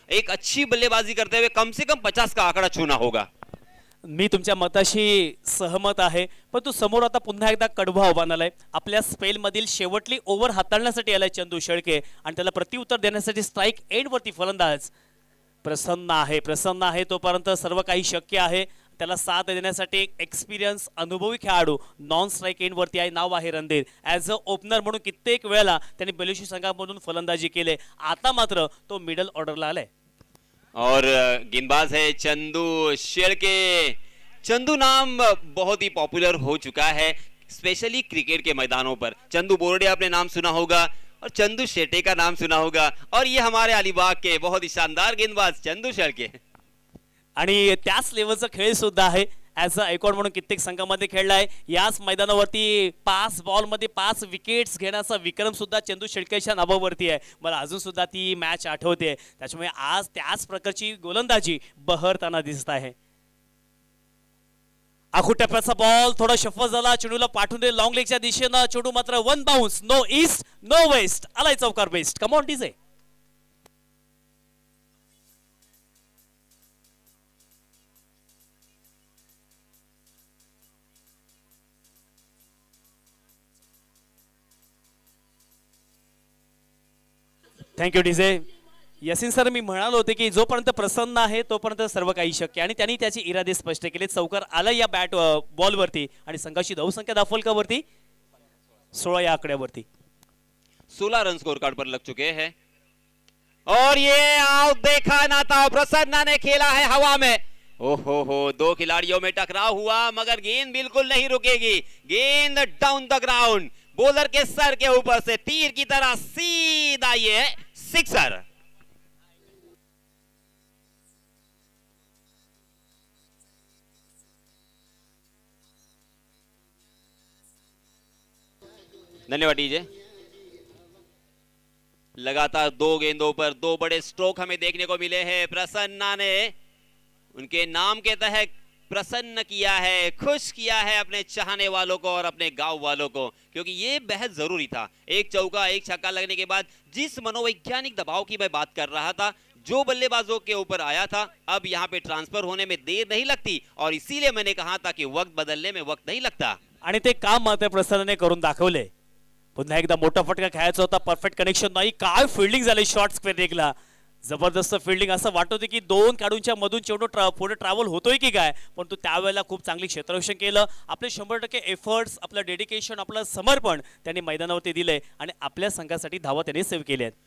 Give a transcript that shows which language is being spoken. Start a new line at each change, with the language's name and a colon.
Hindi: एक अच्छी बल्लेबाजी करते हुए कम से कम 50 का आंकड़ा छूना होगा।
Marathi: मी तुमच्या मताशी सहमत आहे, परंतु समोर आता पुन्हा एकदा कडवा आव्हान आलाय, आपल्या स्पेलमधील शेवटली ओव्हर हाताळण्यासाठी आलाय चंदू शेळके आणि त्याला प्रतिउत्तर देण्यासाठी स्ट्राईक एंडवरती फलंदाज प्रसन्न आहे। तोपर्यंत सर्व काही शक्य आहे, त्याला साथ देण्यासाठी एक एक्सपिरियन्स अनुभवी खेळाडू नॉन स्ट्राईक एंडवरती आहे, नाव आहे रणधीर। ॲज अ ओपनर म्हणून कित्येक वेळेला त्याने बेलोशी संघामधून फलंदाजी केली, आता मात्र तो मिडल ऑर्डरला आलाय
Hindi: और गेंदबाज है चंदू शेळके। चंदू नाम बहुत ही पॉपुलर हो चुका है स्पेशली क्रिकेट के मैदानों पर। चंदू बोर्डे आपने नाम सुना होगा और चंदू शेटे का नाम सुना होगा, और ये हमारे अलीबाग के बहुत ही शानदार गेंदबाज चंदू शेळके।
Marathi: आणि त्याच लेव्हलचा खेळ सुद्धा आहे, ॲज अ ऐकॉन म्हणून कित्येक संघामध्ये खेळलाय, याच मैदानावरती 5 बॉलमध्ये 5 विकेट्स घेण्याचा विक्रम सुद्धा चंदू शेळकेच्या नावावरती आहे। मला अजून सुद्धा ती मॅच आठवते, त्याच्यामुळे आज त्याच प्रकारची गोलंदाजी बहरताना दिसत आहे। आखू टप्प्याचा बॉल थोडा शफल झाला, चेंडूला पाठवून दे लॉंग लेगच्या दिशेनं, चेंडू मात्र 1 bounce,
English: no east no west
Marathi: आलाय चौकार best,
English: Come on DJ.
Marathi: Thank you DJ. Yasin sir, मी म्हणालो होते की जोपर्यंत प्रसन्न आहे तोपर्यंत सर्व काही शक्य, आणि त्यांनी त्याचे इरादे स्पष्ट केले. चौकार आलं या बॅट बॉलवरती आणि संघाची धावसंख्या दाखवल का वरती 16 या आकड्यावरती
Hindi: 16 रन स्कोर कार्ड पर लग चुके हैं. और ये आओ देखा ना था, प्रसन्ना ने खेला है हवा में. ओहो हो, दो खिलाड़ियों में टकराव हुआ मगर गेंद बिल्कुल नहीं रुकेगी. गेंद डाउन द ग्राउंड, बॉलर के सर के ऊपर से तीर की तरह सीधा ये सिक्सर. धन्यवाद डीजे. लगातार दो गेंदों पर दो बड़े स्ट्रोक हमें देखने को मिले हैं. प्रसन्ना ने उनके नाम के तहत प्रसन्न किया है, खुश किया है अपने चाहने वालों को और अपने गांव वालों को, क्योंकि ये बेहद जरूरी था. एक चौका एक छक्का लगने के बाद जिस मनोवैज्ञानिक दबाव की मैं बात कर रहा था जो बल्लेबाजों के ऊपर आया था, अब यहाँ पे ट्रांसफर होने में देर नहीं लगती, और इसीलिए मैंने कहा था कि वक्त बदलने में वक्त नहीं लगता.
Marathi: आणि ते काम मात्र प्रसन्न ने करून दाखवले. पुन्हा एकदा मोठा फटका खेळायचा होता, परफेक्ट कनेक्शन नाही, काय फिल्डिंग झाली शॉर्ट स्क्वेअर देखला, जबरदस्त फिल्डिंग. असं वाटत की दोन खेळाडूंच्या मधून चेंडू पुढे ट्रॅव्हल होतोय की काय, परंतु त्यावेळेला खूप चांगली क्षेत्ररक्षण केलं. आपले 100% एफर्ट्स, आपलं डेडिकेशन, आपलं समर्पण त्यांनी मैदानावरती दिलंय आणि आपल्या संघासाठी धावा त्यांनी सेव्ह केल्या.